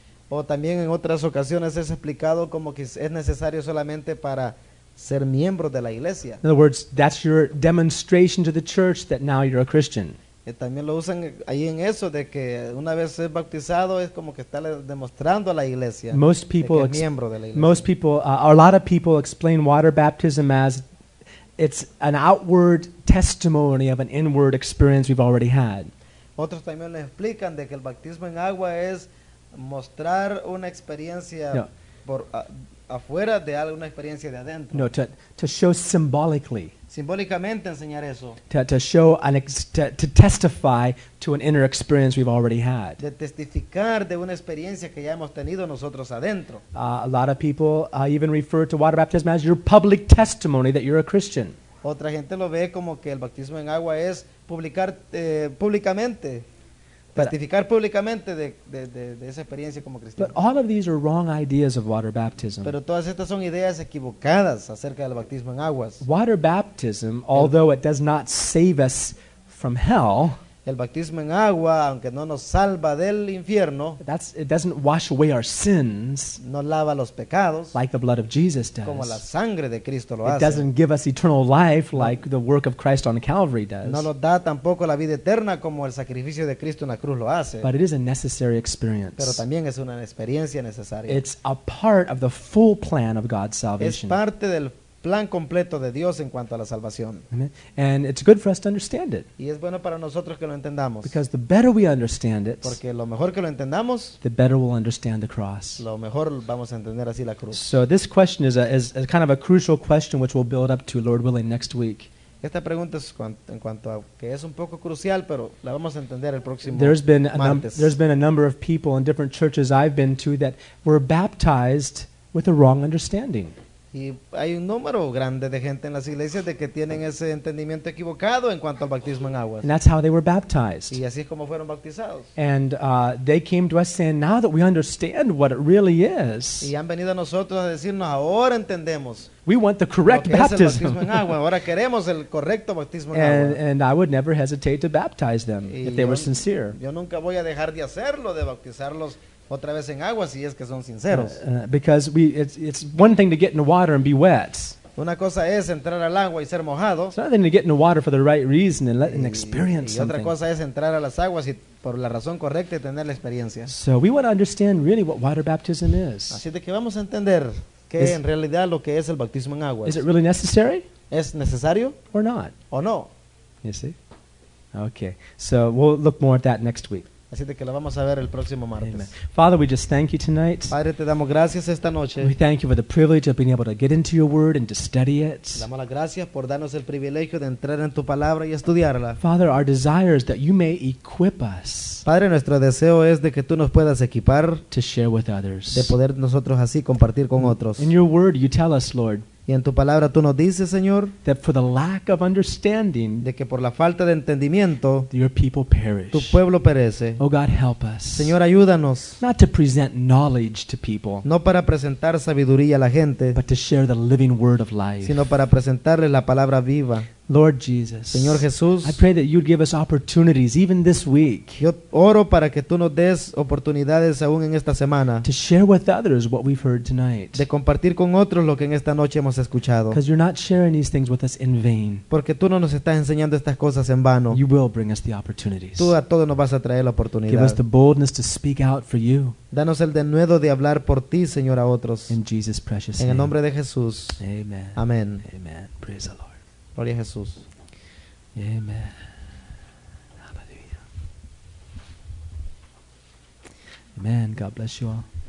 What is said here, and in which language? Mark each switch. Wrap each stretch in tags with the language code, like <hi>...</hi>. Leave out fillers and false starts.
<es>O también en otras ocasiones es explicado como que es necesario solamente para ser miembro de la iglesia.</es> <en>In other words, that's your demonstration to the church that now you're a Christian.</en> <es>También lo usan ahí en eso de que una vez es bautizado es como que está demostrando a la iglesia</es> <en>most people</en> <es>que es miembro de la iglesia.</es> <en>Most people, a lot of people explain water baptism as it's an outward testimony of an inward experience we've already had.</en> <es>Otros también le explican de que el bautismo en agua es mostrar una experiencia no. Por afuera de alguna experiencia de adentro.</es> <en>No, to show symbolically.</en> <es>Simbólicamente enseñar eso.</es> <en>To testify to an inner experience we've already had.</en> <es>De testificar de una experiencia que ya hemos tenido nosotros adentro.</es> <en>A lot of people even refer to water baptism as your public testimony that you're a Christian.</en> <es>Otra gente lo ve como que el bautismo en agua es publicar públicamente. Testificar públicamente de esa experiencia como cristiano.</es> <en>But all of these are wrong ideas of water baptism.</en> <es>Pero todas estas son ideas equivocadas acerca del bautismo en aguas.</es> <en>Water baptism, although it does not save us from hell,</en> <es>el bautismo en agua, aunque no nos salva del infierno,</es> <en>it doesn't wash away our sins,</en> <es>no lava los pecados,</es> <en>like the blood of Jesus does.</en> <es>Como la sangre de Cristo lo</es> <en>it</en> <es>hace.</es> <en>It doesn't give us eternal life like the work of Christ on Calvary does.</en> <es>No nos da tampoco la vida eterna como el sacrificio de Cristo en la cruz lo hace.</es> <en>But it is a necessary experience.</en> <es>Pero también es una experiencia necesaria.</es> <en>It's a part of the full plan of God's salvation.</en> <es>Es parte del plan completo de Dios en cuanto a la salvación.</es> <en>And it's good for us to understand it.</en> <es>Y es bueno para nosotros que lo entendamos.</es> <en>Because the better we understand it,</en> <es>porque lo mejor que lo entendamos,</es> <en>the better we'll understand the cross.</en> <es>Lo mejor vamos a entender así la cruz.</es> <en>So this question is kind of a crucial question which we'll build up to, Lord willing, next week.</en> <es>Esta pregunta es en cuanto a que es un poco crucial, pero la vamos a entender el próximo martes.</es> <en>There's been a number of people in different churches I've been to that were baptized with a wrong understanding.</en> <es>Y hay un número grande de gente en las iglesias de que tienen ese entendimiento equivocado en cuanto al bautismo en aguas.</es> <en>And that's how they were baptized.</en> <es>Y así es como fueron bautizados.</es> <en>And they came to us saying, now that we understand what it really is.</en> <es>Y han venido a nosotros a decirnos, ahora entendemos.</es> <en>We want the correct baptism.</en> <es>Ahora queremos el correcto bautismo en agua.</es> <en>And I would never hesitate to baptize them if they were sincere.</en> <es>Yo nunca voy a dejar de hacerlo, de bautizarlos. Otra vez en agua, si es que son sinceros.</es> <en>Because it's one thing to get in the water and be wet.</en> <es>Una cosa es entrar al agua y ser mojado.</es> <en>It's another thing to get in the water for the right reason and let and experience something.</en> <es>Y otra cosa es entrar a las aguas y por la razón correcta y tener la experiencia.</es> <en>So we want to understand really what water baptism is.</en> <es>Así de que vamos a entender qué en realidad lo que es el bautismo en aguas.</es> <en>Is it really necessary?</en> <es>¿Es necesario?</es> <en>Or not?</en> <es>¿O no?</es> <en>You see? Okay. So we'll look more at that next week.</en> <es>Así de que lo vamos a ver el próximo martes.</es> <en>Amen. Father, we just thank you tonight.</en> <es>Padre, te damos gracias esta noche.</es> <en>We thank you for the privilege of being able to get into your word and to study it.</en> <es>Damos las gracias por darnos el privilegio de entrar en tu palabra y estudiarla.</es> <en>Father, our desire is that you may equip us.</en> <es>Padre, nuestro deseo es de que tú nos puedas equipar</es> <en>to share with others.</en> <es>De poder nosotros así compartir con otros.</es> <en>In your word, you tell us, Lord.</en> <es>Y en tu palabra tú nos dices, Señor,</es> <en>that for the lack of understanding,</en> <es>de que por la falta de entendimiento,</es> <en>your people perish.</en> <es>Tu pueblo perece.</es> <en>Oh God, help us.</en> <es>Señor, ayúdanos.</es> <en>Not to present knowledge to people,</en> <es>no para presentar sabiduría a la gente,</es> <en>but to share the living word of life.</en> <es>Sino para presentarles la palabra viva.</es> <en>Lord Jesus,</en> <es>Señor Jesús,</es> <en>I pray that you'd give us opportunities even this week.</en> <es>Yo oro para que tú nos des oportunidades aún en esta semana.</es> <en>To share with others what we've heard tonight.</en> <es>De compartir con otros lo que en esta noche hemos escuchado.</es> <en>Because you're not sharing these things with us in vain.</en> <es>Porque tú no nos estás enseñando estas cosas en vano.</es> <en>You will bring us the opportunities.</en> <es>Tú a todos nos vas a traer la oportunidad.</es> <en>Give us the boldness to speak out for you.</en> <es>Danos el denuedo de hablar por ti, Señor, a otros.</es> <en>In Jesus' precious</en> <es>name. En el nombre de Jesús. Amen. Amen.</es> <en>Amen. Praise the Lord.</en> <es>Gloria a Jesús.</es> <en>Amen. Hallelujah. Amen. God bless you all.</en>